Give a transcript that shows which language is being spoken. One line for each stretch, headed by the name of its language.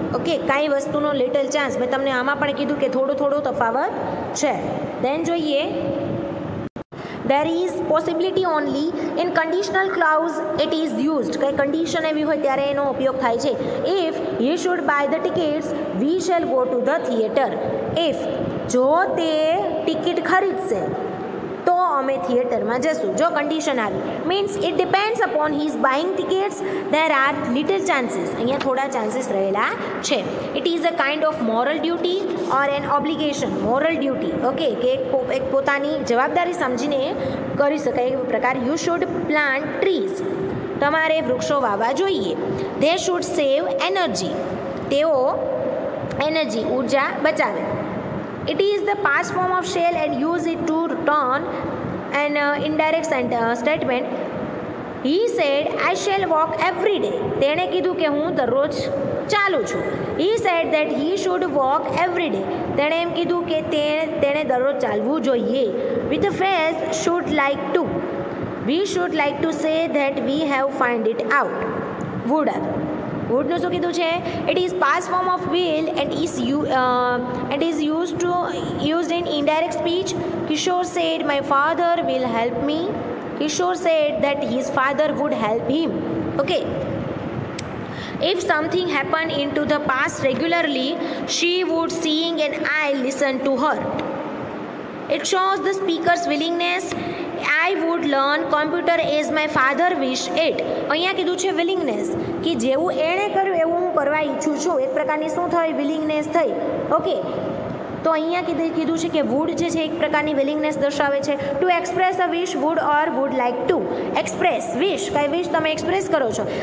Gujarati: Okay, કાંઈ વસ્તુનો little chance. મેં તમને આમાં પણ કીધું કે થોડો થોડો તફાવત છે.
English: Then જોઈએ, there is possibility only in conditional clause it is used.
Gujarati: કઈ condition એવી હોય ત્યારે એનો ઉપયોગ થાય છે.
English: If he should buy the tickets, we shall go to the theater.
Gujarati: If જો તે ટિકિટ ખરીદશે તો અમે થિયેટરમાં જશું. જો કન્ડિશન આવી,
English: Means it depends upon his buying tickets, there are little chances.
Gujarati: અહીંયા થોડા ચાન્સીસ રહેલા છે.
English: It is a kind of moral duty or an obligation.
Gujarati: Moral duty, okay, કે એક પોતાની જવાબદારી સમજીને કરી શકાય એવો પ્રકાર.
English: you should plant trees,
Gujarati: તમારે વૃક્ષો વાવવા જોઈએ.
English: they should save energy,
Gujarati: તેઓ એનર્જી ઉર્જા બચાવે.
English: It is the past form of shall and use it to turn an indirect statement. He said, I shall walk every day.
Gujarati: તેણે કીધું કે હું દરરોજ ચાલું છું.
English: He said that he should walk every day.
Gujarati: તેણે એમ કીધું કે તેણે દરરોજ ચાલવું જોઈએ.
English: With a phrase, should like to. We should like to say that we have found it out. Would have.
Gujarati: વુડનું શું કીધું છે,
English: It is pass form of will and is use to use in indirect speech. Kishore said my father will help me. Kishore said that his father would help him. Okay, if something happen in to the pass regularly, she would seeing and I listen to her. It shows the speaker's willingness. I would learn computer as my father wish it.
Gujarati: અહીંયા કીધું છે willingness, કે જેવું એણે કર્યું એવું હું કરવા ઈચ્છું છું. એક પ્રકારની શું થઈ, willingness થઈ. ઓકે, તો અહીંયા કીધું છે કે would જે છે એક પ્રકારની willingness દર્શાવે છે.
English: To express a wish, would or would like to. Express wish,
Gujarati: કઈ wish તમે express કરો છો.